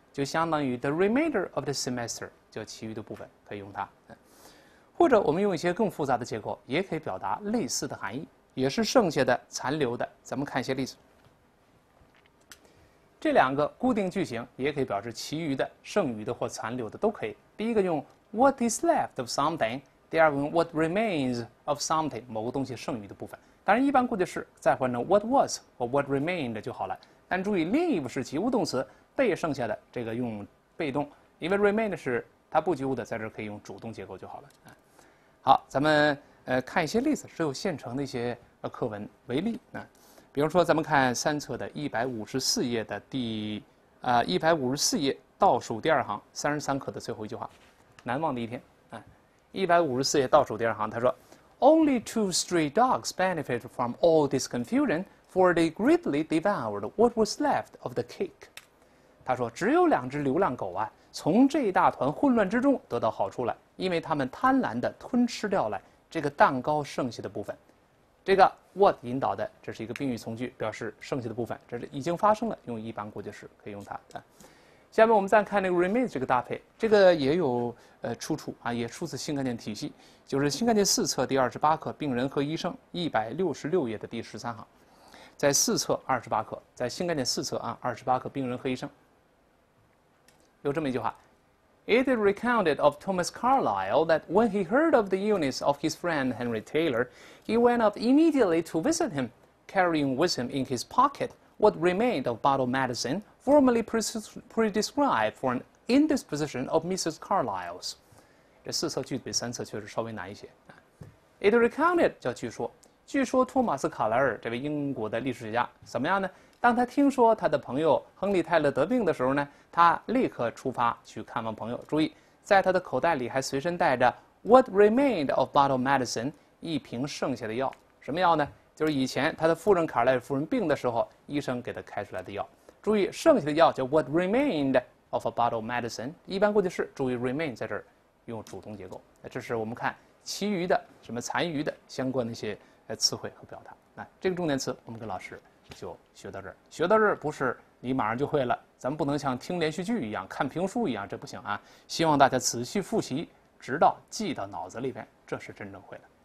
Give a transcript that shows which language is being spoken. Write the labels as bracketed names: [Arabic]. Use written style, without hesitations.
[Chinese] 就相当于 [English] the remainder of the semester， [Chinese] 就其余的部分可以用它。或者我们用一些更复杂的结构也可以表达类似的含义，也是剩下的、残留的。咱们看一些例子，这两个固定句型也可以表示其余的、剩余的或残留的，都可以。第一个用 [English] what is left of something， [Chinese] 第二个用 [English] what remains of something， [Chinese] 某个东西剩余的部分。当然一般固定式再换成 what was 或 what remained 就好了。但注意 leave 是及物动词，被剩下的这个用被动，因为 remain 是它不及物的，在这可以用主动结构就好了。好，咱们看一些例子，只有现成的一些课文为例啊。比如说，咱们看三册的154页的154页倒数第二行33课的最后一句话，难忘的一天啊。 [English] 154页倒数第二行，他说 ：“Only two stray dogs benefit from all this confusion, for they greedily devoured what was left of the cake。” [Chinese] 他说，只有两只流浪狗啊，从这一大团混乱之中得到好处了，因为他们贪婪地吞吃掉了这个蛋糕剩下的部分。这个 what 引导的，这是一个宾语从句，表示剩下的部分，这是已经发生了，用一般过去时可以用它啊。下面我们再看那个 remain 这个搭配，这个也有出处啊，也出自新概念体系，就是新概念4册第28课《病人和医生》166页的第13行，在4册28课，在新概念4册啊28课《病人和医生》有这么一句话 ： [English] It is recounted of Thomas Carlyle that when he heard of the illness of his friend Henry Taylor, he went up immediately to visit him, carrying with him in his pocket what remained of bottled medicine. Formally prescribed for an indisposition of Mrs. Carlyle's. [Chinese] 这四册句子比三册确实稍微难一些。 [English] It recounted, [Chinese] 叫据说。据说托马斯·卡莱尔这位英国的历史学家怎么样呢？当他听说他的朋友亨利·泰勒得病的时候呢，他立刻出发去看望朋友。注意，在他的口袋里还随身带着 [English] What remained of bottled medicine, [Chinese] 一瓶剩下的药。什么药呢？就是以前他的夫人卡莱尔夫人病的时候医生给他开出来的药。注意，剩下的药叫 [English] what remained of a bottle of medicine， [Chinese] 一般过去式。注意 remain 在这儿用主动结构。这是我们看其余的什么残余的相关的一些词汇和表达。那这个重点词我们跟老师就学到这儿。学到这儿不是你马上就会了，咱们不能像听连续剧一样、看评书一样，这不行啊。希望大家仔细复习，直到记到脑子里边，这是真正会了。